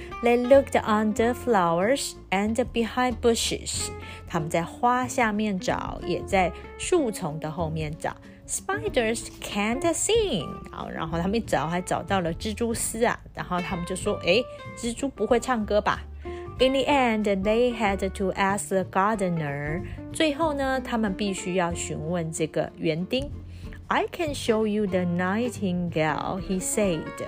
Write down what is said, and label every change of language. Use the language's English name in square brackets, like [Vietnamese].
[English] They looked under flowers and behind bushes. [Chinese] 他们在花下面找，也在树丛的后面找。 [English] Spiders can't sing. [Chinese] 好，然后他们一找还找到了蜘蛛丝啊，然后他们就说，蜘蛛不会唱歌吧？ [English] In the end, they had to ask the gardener. [Chinese] 最后呢，他们必须要询问这个园丁。 [English] I can show you the nightingale, he said.